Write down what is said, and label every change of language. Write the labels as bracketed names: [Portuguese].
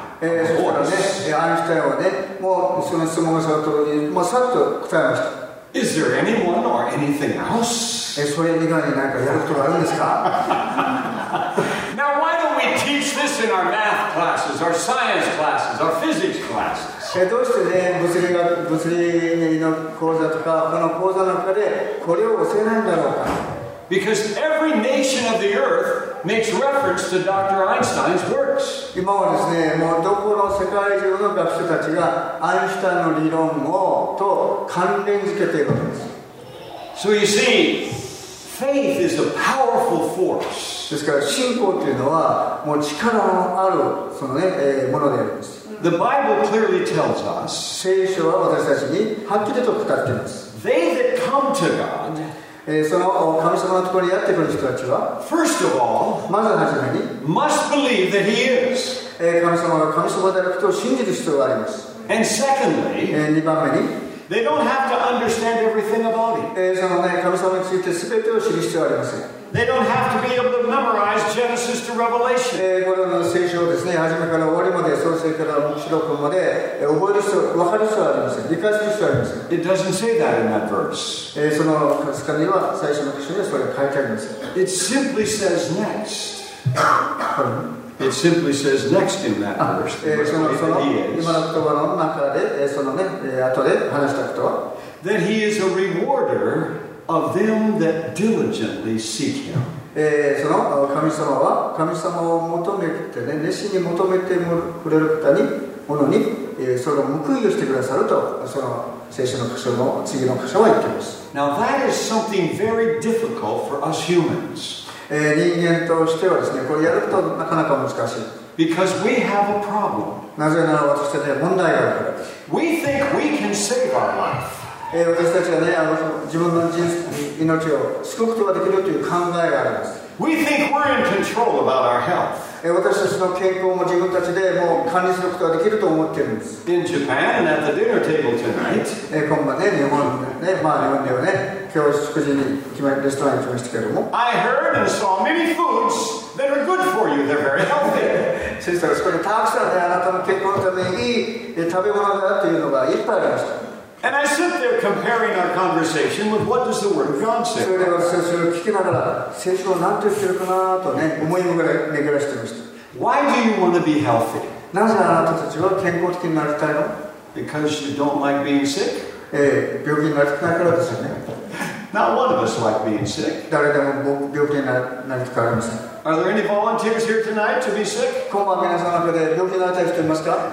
[English] Is there anyone or anything else? Now, why don't we teach this in our math classes, our science classes, our physics classes? [Japanese] どうしてね、物理の講座とか、この講座の中で、これを教えないんだろうか。 [English] Because every nation of the earth makes reference to Dr. Einstein's works. [Japanese] 今はですね、もうどこの世界中の学者たちがアインシュタインの理論をと関連付けているんです。 [English] So you see, faith is a powerful force. [Japanese] ですから信仰というのはもう力のあるその、ね、ものであります。 [English] The Bible clearly tells us, [Japanese] 聖書は私たちにはっきりと語っています。 [English] They that come to God, [Japanese] その神様のところにやってくる人たちは [English] First of all, [Japanese] まずはじめに [English] must believe that he is. [Japanese] 神様が神様であることを信じる必要があります。 [English] And secondly, [Japanese] 二番目に [English] they don't have to understand everything about him. [Japanese] その、ね、神様について全てを知る必要はありません。 [English] They don't have to be able to memorize Genesis to Revelation. [Japanese] これの聖書をですね、初めから終わりまで、創世から黙示録まで、覚える人、分かる人はありません。理解する人はありません。 [English] It doesn't say that in that verse. [Japanese] その箇所には、最初の箇所にはそれが書いてありません。 [English] It simply says next. It simply says next in that verse. [Japanese] その今の言葉の中で、そのね、後で話したことは。 [English] That he is a rewarder. Of them that diligently seek him. [Japanese] その神様は神様を求めてね熱心に求めてくれる方にものに、その報いをしてくださるとその聖書の箇所の次の箇所は言っています。 [English] Now that is something very difficult for us humans. [Japanese] 人間としてはですねこれやるとなかなか難しい。 [English] Because we have a problem. [Japanese] なぜなら私たちは問題がある。 [English] We think we can save our life. [Japanese] 私たちはね、自分の人生命を救うことができるという考えがあります。 [English] We think we're in control about our health. [Japanese] 私たちの健康も自分たちでもう管理することができると思っているんです。 [English] In Japan and at the dinner table tonight. [Japanese] 今晩ね、日本ね、まあ日本ではね、今日食事に決まりレストランに来ましたけれども。 [English] I heard and saw many foods that are good for you. They're very healthy. [Japanese] 先生、そこでたくさんね、あなたの健康のためにいい食べ物だっていうのがいっぱいありました。 [English] And I sit there comparing our conversation with what does the word of God say? [Japanese] それを先生を聞きながら、聖書を何と言ってるかなとね、思いを巡らしていました。 [English] Why do you want to be healthy? [Japanese] なぜあなたたちは健康的になりたいの? [English] Because you don't like being sick? [Japanese] 病気になりたくないからですよね。 [English] Not one of us like being sick. [Japanese] 誰でも病気になりたくありません。 [English] Are there any volunteers here tonight to be sick? [Japanese] 今晩皆さんの中で病気になりたい人いますか?